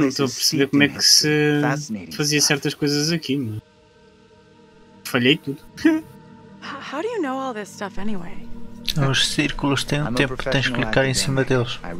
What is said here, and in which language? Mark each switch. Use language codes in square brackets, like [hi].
[pt] não estou a perceber como é que se fazia certas coisas aqui, mano. Falhei tudo. [en] How do you know all this stuff anyway? [pt] Os círculos têm um tempo que tens de clicar em cima deles.